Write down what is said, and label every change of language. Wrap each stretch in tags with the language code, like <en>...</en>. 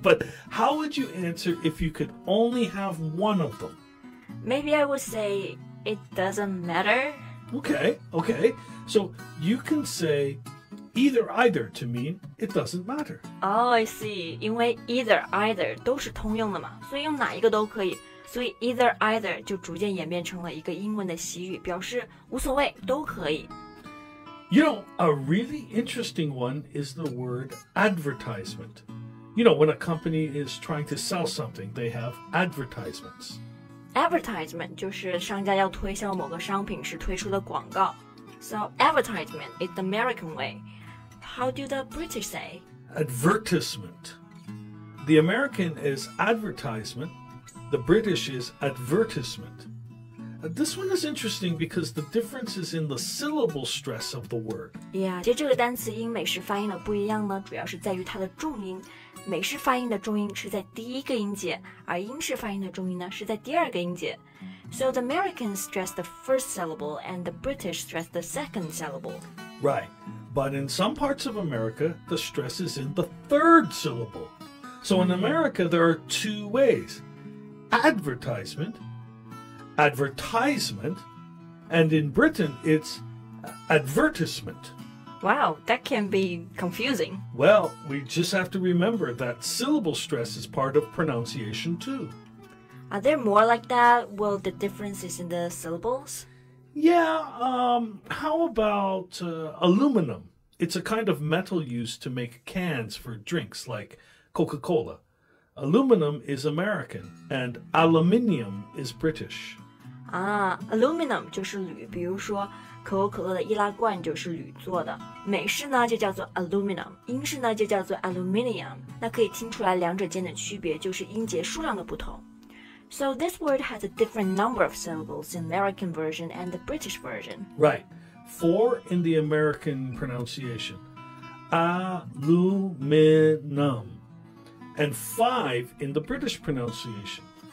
<en>But how would you answer if you could only have one of them? Maybe I would say it doesn't matter. Okay. So you can say either to mean it doesn't matter. Oh, I see.</en> <zh>因为 either 都是通用的嘛，所以用哪一个都可以。所以 either 就逐渐演变成了一个英文的习语，表示无所谓，都可以。</zh> <en>You know, a really interesting one is the word advertisement. You know, when a company is trying to sell something, they have advertisements.</en> <zh>Advertisement 就是商家要推销某个商品时推出的广告。</zh> <en>So, advertisement is the American way. How do the British say? Advertisement. The American is advertisement. The British is advertisement. This one is interesting because the difference is in the syllable stress of the word.</en> <zh>Yeah, 其实这个单词英美式发音的不一样呢，主要是在于它的重音。美式发音的重音是在第一个音节，而英式发音的重音呢是在第二个音节。</zh> <en>So the Americans stress the first syllable and the British stress the second syllable. Right, but in some parts of America, the stress is in the third syllable. So in America, there are two ways. Advertisement, and in Britain, it's advertisement. Wow, that can be confusing. Well, we just have to remember that syllable stress is part of pronunciation too. Are there more like that? Well, the differences in the syllables? Yeah, how about aluminum? It's a kind of metal used to make cans for drinks like Coca-Cola. Aluminum is American, and aluminium is British.</en> <zh>Aluminum 就是铝，比如说可口可乐的易拉罐就是铝做的。美式呢就叫做 aluminum， 英式呢就叫做 aluminium。那可以听出来两者间的区别就是音节数量的不同。</zh> <en>So this word has a different number of syllables in the American version and the British version. Right. 4 in the American pronunciation. Aluminum. And 5 in the British pronunciation.</en>